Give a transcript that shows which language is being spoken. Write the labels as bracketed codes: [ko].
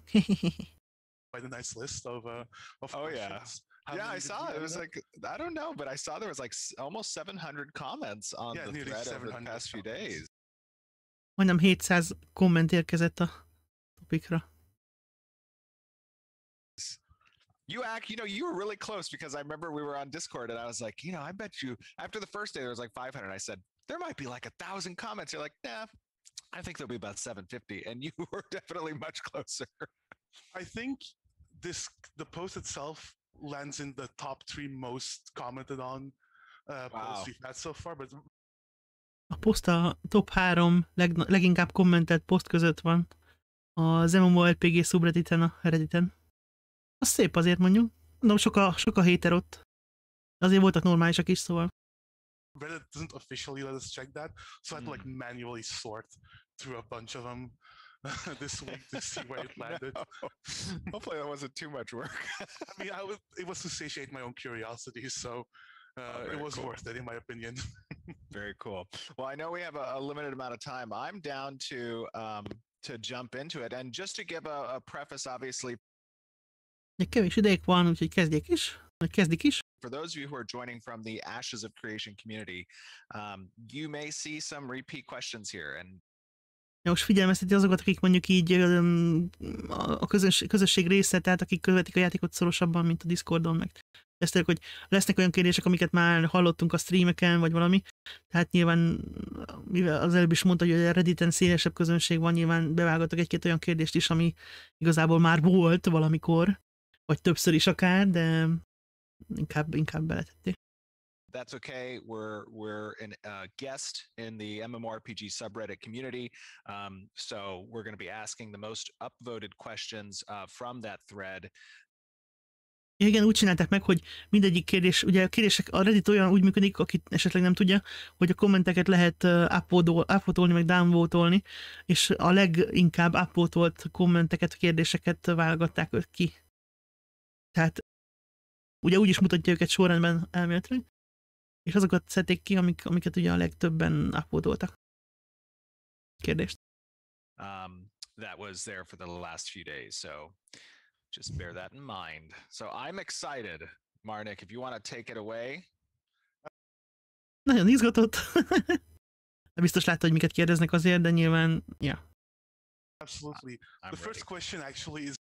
[en] Quite a nice list of oh questions. Yeah, I saw it. It was like I don't know, but I saw there was like almost 700 comments on the thread over the past comments. Few days. [hu] Majdnem 700 komment érkezett a topikra. [en] You were really close because I remember we were on Discord and I was like, you know, I bet you after the first day there was like 500. I said there might be like 1,000 comments. You're like, nah, I think there'll be about 750, and you were definitely much closer. I think the post itself lands in the top 3 most commented on posts we've had so far. But [hu] a post a top 3 leginkább [en] commented post [hu] között van az MMORPG subredditen, a Redditen. Az szép azért mondjuk. No, sok a hater ott. Azért voltak normálisak is, szóval. [en] Reddit doesn't officially let us check that, so I had to like manually sort through a bunch of them this week to see where it landed. No. Hopefully that wasn't too much work. I mean, it was to satiate my own curiosity, so it was cool. Worth it in my opinion. Very cool. Well, I know we have a limited amount of time. I'm down to jump into it, and just to give a preface, obviously. [hu] De kevés idejük van, úgyhogy kezdik is. [en] For those of you who are joining from the Ashes of Creation community, you may see some repeat questions here. And [hu] ja, most figyelmezteti azokat, akik mondjuk így a közösség része, tehát akik követik a játékot szorosabban, mint a Discordon, meg tesztelik, hogy lesznek olyan kérdések, amiket már hallottunk a streameken, vagy valami. Tehát nyilván, mivel az előbb is mondta, hogy a Redditen szélesebb közönség van, nyilván bevágottak egy-két olyan kérdést is, ami igazából már volt valamikor. Vagy többször is akár, de inkább beletették. [en] That's okay. We're a guest in the MMORPG subreddit community. So we're going to be asking the most upvoted questions from that thread. [hu] Igen, úgy csinálták meg, hogy mindegyik kérdés, ugye a kérdések, a Reddit olyan úgy működik, akit esetleg nem tudja, hogy a kommenteket lehet upvotolni, meg downvotolni, és a leginkább upvotolt kommenteket, kérdéseket válogatták ki. Tehát ugye úgy is mutatja őket sorrendben elméletileg, és azokat szedték ki, amiket ugye a legtöbben upvotoltak. Kérdést. [en] That was there for the last few days, so just bear that in mind. So I'm excited, Marnik, if you want to take it away. [hu] Nagyon izgatott. Biztos látta, hogy miket kérdeznek azért, de nyilván, yeah. [en] Absolutely. The first question actually is